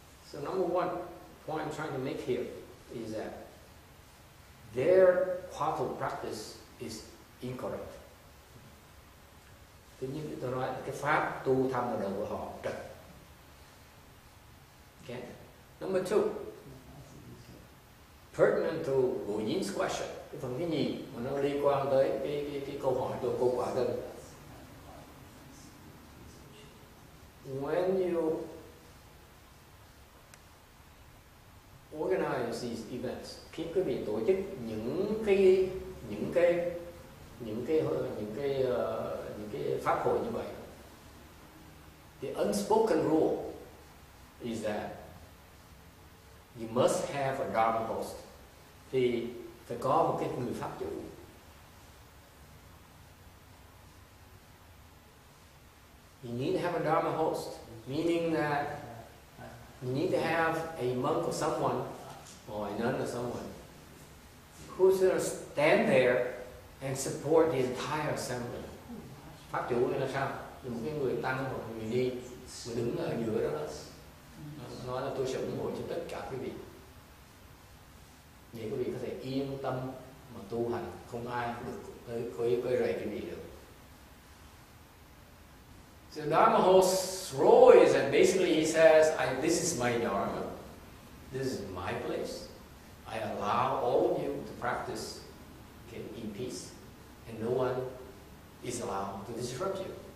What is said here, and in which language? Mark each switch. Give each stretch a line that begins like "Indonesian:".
English: So number one point I'm trying to make here is that their quantum practice is incorrect.
Vietnamese: Tuy nhiên tôi nói cái pháp tu tham ở đầu của họ trật. Okay.
English: Number two, pertinent to Bồ Nhĩ's question,
Vietnamese: cái phần cái gì mà nó liên quan tới cái câu hỏi của cô quả thân.
English: When you organize these events,
Vietnamese: khi quý vị tổ chức những cái pháp hội như vậy,
English: the unspoken rule is that you must have a Dharma host.
Vietnamese: Thì phải có một cái người pháp chủ.
English: You need to have a Dharma host, meaning that you need to have a monk or someone, or a nun or someone, who's going to stand there and support the entire assembly.
Vietnamese: Pháp chủ là sao? Là một cái người tăng hoặc người đi, người đứng ở giữa đó. Nói là tôi sẽ ủng hộ cho tất cả quý vị. Để quý vị có thể yên tâm mà tu hành, không ai được quấy rầy quý vị được.
English: So Dharma host's role is that basically he says, this is my Dharma, this is my place. I allow all of you to practice, okay, in peace, and no one is allowed to disrupt you.